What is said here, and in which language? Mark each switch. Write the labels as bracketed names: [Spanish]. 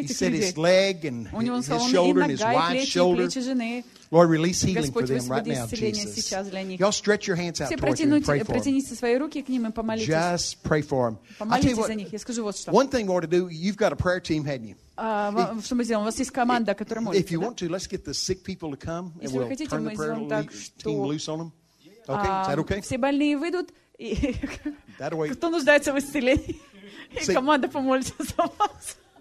[Russian] этих людей. [English] He said his leg and his shoulder and his wife's shoulder. Lord, release healing for them right now, Jesus. Y'all stretch your hands out towards them and pray for them. [Russian] Протяните свои руки к ним и помолитесь. [English] Just pray for them. [Russian] Помолитесь за них. Я скажу вот что. [English] One thing more to do, you've got a prayer team, haven't you? [Russian] Что мы сделаем? У вас есть команда, которая молится. [English] If you want to, let's get the sick people to come and we'll turn the prayer team loose on them. Okay, is that okay? [Russian] Все больные выйдут. [English] That way. [Russian] Кто нуждается в исцелении? Команда помолится за вас.